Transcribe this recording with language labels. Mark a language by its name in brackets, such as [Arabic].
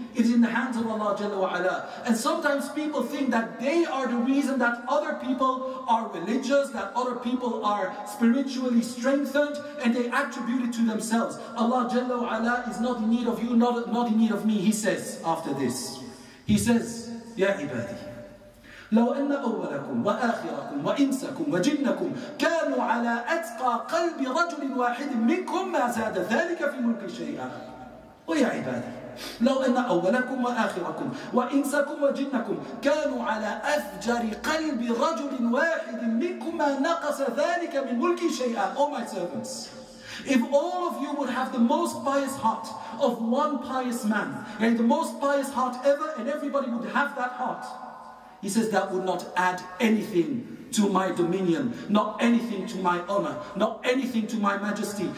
[English] It is in the hands of Allah Jalla wa Ala. And sometimes people think that they are the reason that other people are religious, that other people are spiritually strengthened, and they attribute it to themselves. Allah Jalla wa Ala is not in need of you, not in need of me, He says after this. He says, [Arabic] Ya ibadi, لو أن أولكم وآخركم وإنسكم وجنكم كانوا على أتقى قلب رجل واحد منكم ما زاد ذلك في ملك شيء آخر. ويا عبادي لو أن أولكم وآخركم وإنسكم وجنكم كانوا على أفجر قلب رجل واحد منكم ما نقص ذلك من ملك شيء آخر. [English] Oh my servants, if all of you would have the most pious heart of one pious man, and the most pious heart ever, and everybody would have that heart, He says, that would not add anything to my dominion, not anything to my honor, not anything to my majesty.